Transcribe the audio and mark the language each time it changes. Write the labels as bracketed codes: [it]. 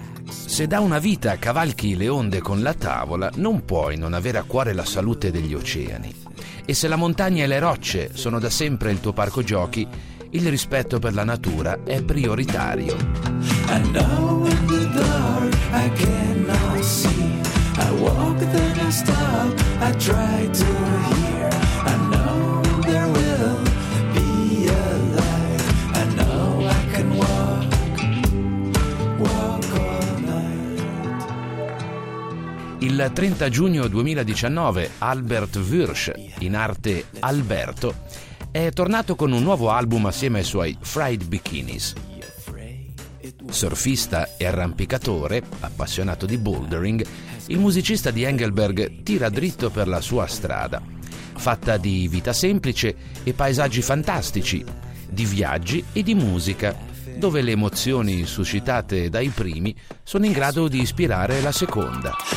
[it] Se da una vita cavalchi le onde con la tavola, non puoi non avere a cuore la salute degli oceani. E se la montagna e le rocce sono da sempre il tuo parco giochi, il rispetto per la natura è prioritario. [en] I know in the dark I cannot see. I walk then I stop, I try to hear. I know there will be a light. I know I can walk, walk all night. [it] Il 30 giugno 2019 Albert Wirsch, in arte Alberto, è tornato con un nuovo album assieme ai suoi Fried Bikinis. Surfista e arrampicatore, appassionato di bouldering, il musicista di Engelberg tira dritto per la sua strada, fatta di vita semplice e paesaggi fantastici, di viaggi e di musica, dove le emozioni suscitate dai primi sono in grado di ispirare la seconda.